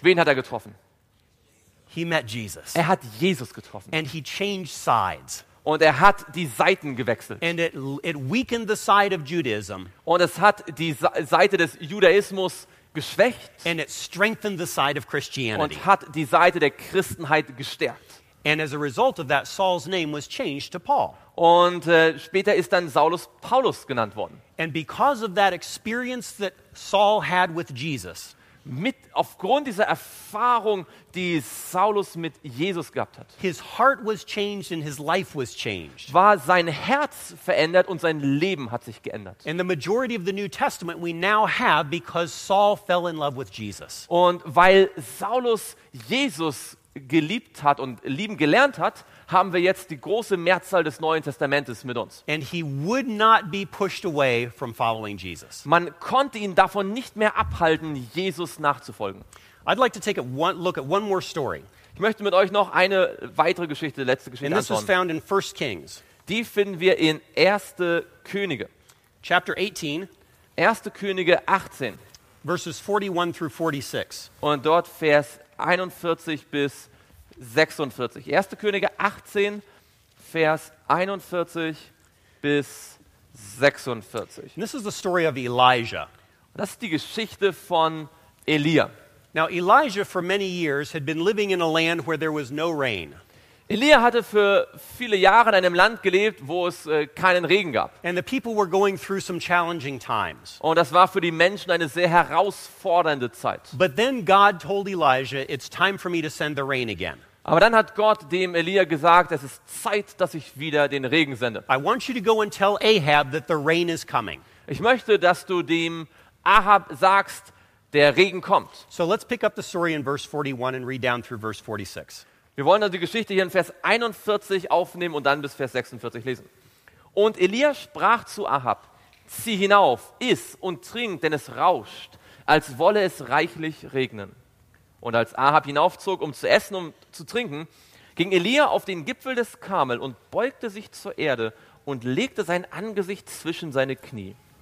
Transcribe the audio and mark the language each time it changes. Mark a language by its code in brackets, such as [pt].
[de] Wen hat er getroffen? [en] He met Jesus. [de] Er hat Jesus getroffen. [en] And he changed sides. [de] Und er hat die Seiten gewechselt. [en] And it weakened the side of Judaism. [de] Und es hat die Seite des Judaismus geschwächt. [en] And it strengthened the side of Christianity. [de] Und hat die Seite der Christenheit gestärkt. [en] And as a result of that, Saul's name was changed to Paul. [de] Und später ist dann Saulus Paulus genannt worden. [en] And because of that experience that Saul had with Jesus. [de] Mit aufgrund dieser Erfahrung, die Saulus mit Jesus gehabt hat. [en] His heart was changed and his life was changed. [de] War sein Herz verändert und sein Leben hat sich geändert. [en] And the majority of the New Testament we now have because Saul fell in love with Jesus. [de] Und weil Saulus Jesus geliebt hat und lieben gelernt hat, haben wir jetzt die große Mehrzahl des Neuen Testamentes mit uns. [en] And he would not be pushed away from following Jesus. [de] Man konnte ihn davon nicht mehr abhalten, Jesus nachzufolgen. [en] I'd like to take look at one more story. [de] Ich möchte mit euch noch eine weitere Geschichte, letzte Geschichte anschauen. [en] And this is found in 1 Kings. [de] Die finden wir in 1. Könige. [en] Chapter 18. [de] 1. Könige 18. [en] Verses 41 through 46. [de] Und dort Vers 41 bis 46. 1. Könige 18, Vers 41 bis 46. [en] And this is the story of Elijah. [de] Das ist die Geschichte von Elia. [en] Now Elijah for many years had been living in a land where there was no rain. [de] Elia hatte für viele Jahre in einem Land gelebt, wo es keinen Regen gab. [en] And the people were going through some challenging times. [de] Und das war für die Menschen eine sehr herausfordernde Zeit. [en] But then God told Elijah, it's time for me to send the rain again. [de] Aber dann hat Gott dem Elia gesagt, es ist Zeit, dass ich wieder den Regen sende. [en] I want you to go and tell Ahab that the rain is coming. [de] Ich möchte, dass du dem Ahab sagst, der Regen kommt. [en] So let's pick up the story in verse 41 and read down through verse 46. [de] Wir wollen also die Geschichte hier in Vers 41 aufnehmen und dann bis Vers 46 lesen. Und Elia sprach zu Ahab: Zieh hinauf, iss und trink, denn es rauscht, als wolle es reichlich regnen. Und als Ahab hinaufzog, um zu essen und zu trinken, ging Elia auf den Gipfel des Karmel und beugte sich zur Erde und legte sein Angesicht zwischen seine Knie.